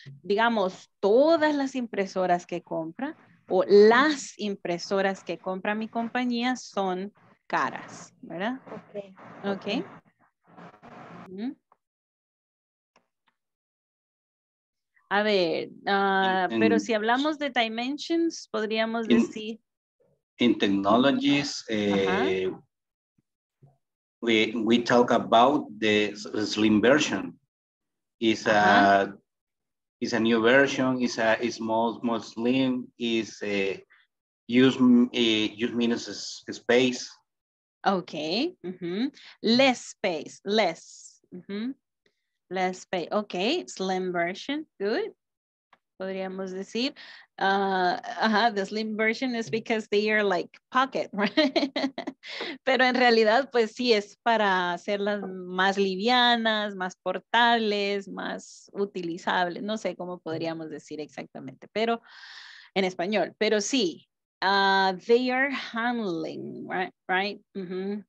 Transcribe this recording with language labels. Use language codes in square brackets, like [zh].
[es] Digamos, todas las impresoras que compra o las impresoras que compra mi compañía son caras, ¿verdad? Ok. Ok. A ver, pero si hablamos de dimensions, podríamos decir. [en] In technologies, we talk about the slim version. It's a it's a new version. It's a small slim. It's a use minus space. Okay. Mm-hmm. Less space. Less. Mm-hmm. Less space. Okay, slim version. Good. [es] Podríamos decir. [en] The slim version is because they are like pocket, right? [es] Pero en realidad, pues sí, es para hacerlas más livianas, más portables, más utilizables. No sé cómo podríamos decir exactamente, pero en español. Pero sí, [en] they are handling, right? Mm-hmm.